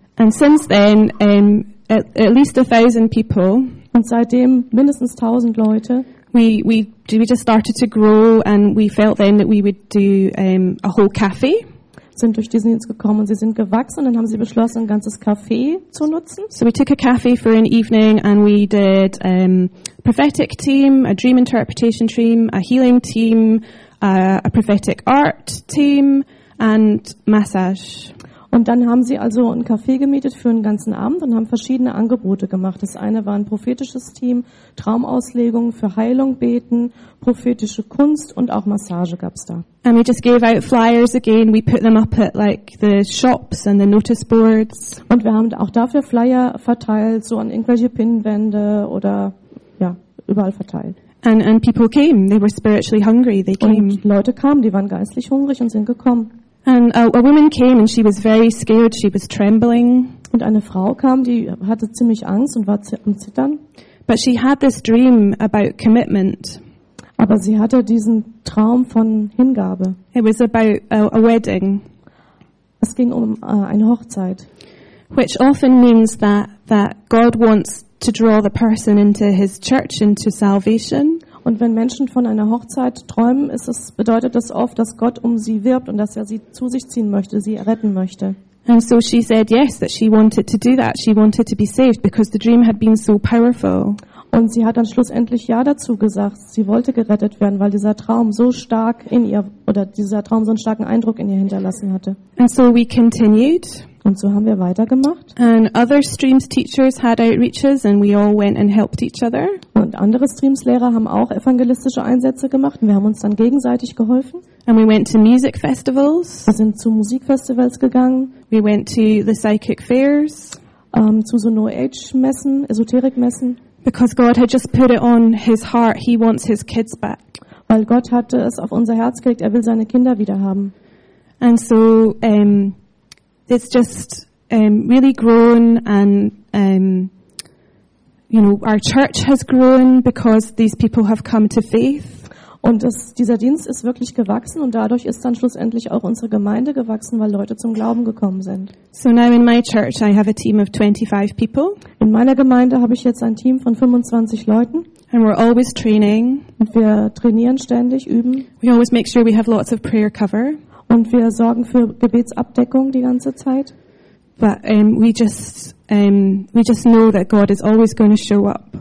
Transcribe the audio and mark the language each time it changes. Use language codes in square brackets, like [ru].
[en] And since then, at least 1,000 people. [de] Und seitdem mindestens 1,000 Leute. [en] We just started to grow, and we felt then that we would do a whole cafe. [de] Sind durch diesen Dienst gekommen und sie sind gewachsen und dann haben sie beschlossen, ein ganzes Café zu nutzen. [en] So we took a café for an evening and we did a prophetic team, a dream interpretation team, a healing team, a prophetic art team and massage. [de] Und dann haben sie also ein Café gemietet für einen ganzen Abend und haben verschiedene Angebote gemacht. Das eine war ein prophetisches Team, Traumauslegung für Heilung beten, prophetische Kunst und auch Massage gab's da. [en] And we just gave out flyers again. We put them up at like the shops and the notice boards. [de] Und wir haben auch dafür Flyer verteilt, so an irgendwelche Pinnwände oder ja, überall verteilt. [en] And people came. They were spiritually hungry. They came. [de] Und Leute kamen, die waren geistlich hungrig und sind gekommen. [en] And a woman came and she was very scared. She was trembling. [de] Und eine Frau kam, die hatte ziemlich Angst und war am Zittern. [en] But she had this dream about commitment. [de] Aber sie hatte diesen Traum von Hingabe. [en] It was about a wedding. [de] Es ging um eine Hochzeit. [en] Which often means that God wants to draw the person into his church, into salvation. [de] Und wenn Menschen von einer Hochzeit träumen, bedeutet das oft, dass Gott um sie wirbt und dass er sie zu sich ziehen möchte, sie retten möchte. [en] And so she said yes, that she wanted to do that. She wanted to be saved because the dream had been so powerful. [de] Und sie hat dann schlussendlich ja dazu gesagt. Sie wollte gerettet werden, weil dieser Traum so stark in ihr oder dieser Traum so einen starken Eindruck in ihr hinterlassen hatte. [en] And so we continued. [de] Und so haben wir weitergemacht. [en] And other streams teachers had outreaches and we all went and helped each other. [de] Und andere Streams Lehrer haben auch evangelistische Einsätze gemacht und wir haben uns dann gegenseitig geholfen. [en] And we went to music festivals. [de] Wir sind zu Musikfestivals gegangen. [en] We went to the psychic fairs. [de] Zu so New Age Messen, Esoterik Messen. [en] Because God had just put it on his heart, he wants his kids back. [de] Weil Gott hatte es auf unser Herz gelegt, er will seine Kinder wieder haben. [en] And so it's just really grown and you know, our church has grown because these people have come to faith. [de] Und dieser Dienst ist wirklich gewachsen und dadurch ist dann schlussendlich auch unsere Gemeinde gewachsen, weil Leute zum Glauben gekommen sind. [en] So now in my church I have a team of 25 people. [de] In meiner Gemeinde habe ich jetzt ein Team von 25 Leuten. [en] And we're always training. [de] Und wir trainieren ständig, üben. [en] We always make sure we have lots of prayer cover. [de] Und wir sorgen für Gebetsabdeckung die ganze Zeit. [en] But we just know that God is always going to show up.